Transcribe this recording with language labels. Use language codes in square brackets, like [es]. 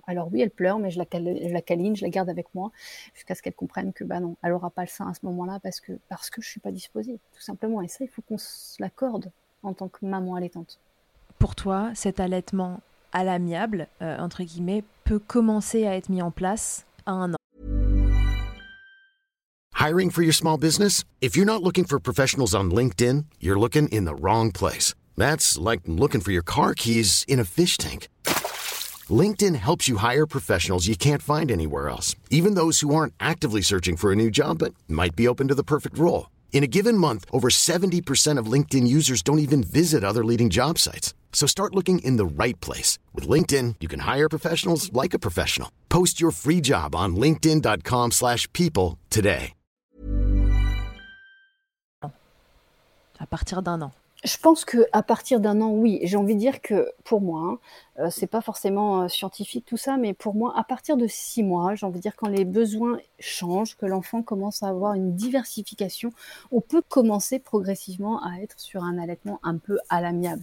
[fr] Alors oui, elle pleure, mais je la câline, je la garde avec moi, jusqu'à ce qu'elle comprenne que non, elle n'aura pas le sein à ce moment-là parce que je ne suis pas disposée, tout simplement. Et ça, il faut qu'on se l'accorde en tant que maman allaitante. Pour toi, cet allaitement à l'amiable, entre guillemets, peut commencer à être mis en place à 1 an. [en] Hiring for your small business? If you're not looking for professionals on LinkedIn, you're looking in the wrong place. That's like looking for your car keys in a fish tank. LinkedIn helps you hire professionals you can't find anywhere else, even those who aren't actively searching for a new job but might be open to the perfect role. In a given month, over 70% of LinkedIn users don't even visit other leading job sites. So start looking in the right place. With LinkedIn, you can hire professionals like a professional. Post your free job on linkedin.com/people today. [fr] À partir d'un an. Je pense qu'à partir d'un an, oui. J'ai envie de dire que pour moi, c'est pas forcément scientifique tout ça, mais pour moi, à partir de 6 mois, j'ai envie de dire quand les besoins changent, que l'enfant commence à avoir une diversification, on peut commencer progressivement à être sur un allaitement un peu à l'amiable.